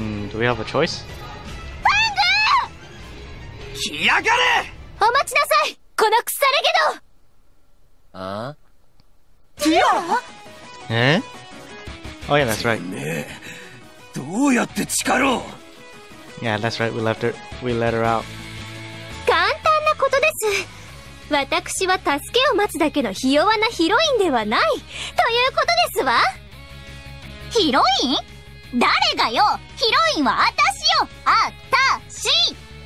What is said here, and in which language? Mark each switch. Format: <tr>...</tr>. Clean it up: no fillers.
<en>Do we have a choice?</en> <ja>ファング、来やがれ。お待ちなさい、この腐れゲド。あ、ティア</ja> <en>ラ。え、oh yeah, that's right.</en> <ja>てめえどうやって力を。</ja> <en>Yeah, that's right, we left her, we let her out.</en> <ja>簡単なことです。私は助けを待つだけのひ弱なヒロインではないということですわ。ヒロイン？誰がよ。ヒロインは私よ、あたし。</ja>